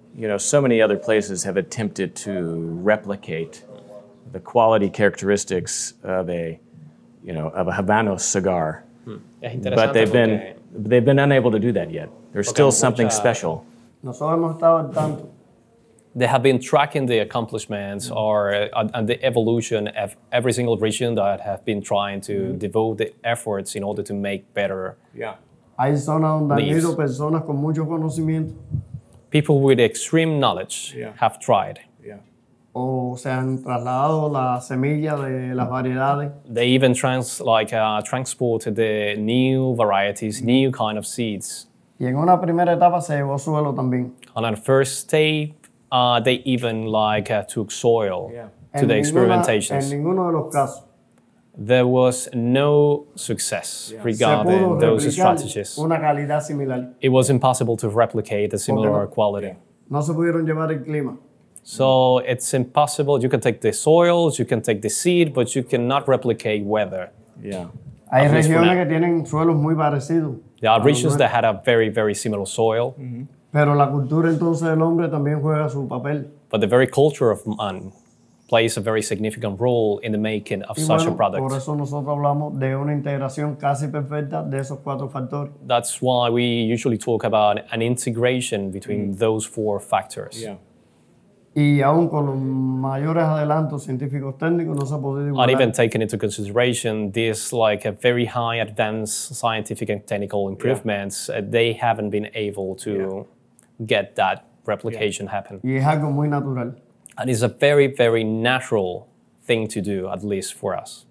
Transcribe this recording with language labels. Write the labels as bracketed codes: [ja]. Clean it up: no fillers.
[en] You know, so many other places have attempted to replicate the quality characteristics of a Habano cigar, but they've been unable to do that yet. There's still something special. [es] Nosotros hemos estado al tanto. [en] They have been tracking the accomplishments and the evolution of every single region that have been trying to devote the efforts in order to make better. [es] Hay zonas donde han ido personas con mucho conocimiento. [en] People with extreme knowledge have tried. [es] O se han trasladado la semilla de las variedades. [en] They even transported the new varieties, new kind of seeds. [es] Y en una primera etapa se llevó suelo también. [en] On our first stage. They even took soil to the experimentations. [es] En ninguno de los casos. [en] There was no success regarding those strategies. [es] Una calidad similar. [en] It was impossible to replicate a similar quality. [es] No se pudieron llevar el clima. [en] So it's impossible. You can take the soils, you can take the seed, but you cannot replicate weather. Yeah. [es] Hay regiones que tienen suelos muy parecidos. [en] There are regions that had a very, very similar soil. Mm-hmm. [es] Pero la cultura entonces del hombre también juega su papel. [en] But the very culture of man plays a very significant role in the making of such a product. [es] Por eso nosotros hablamos de una integración casi perfecta de esos cuatro factores. [en] That's why we usually talk about an integration between those four factors. Yeah. [es] Y aún con los mayores adelantos científicos técnicos no se ha podido igualar. [en] And even taking into consideration this like a very high advanced scientific and technical improvements, they haven't been able to get that replication happen. [es] Y es algo muy natural. [en] And it's a very, very natural thing to do, at least for us.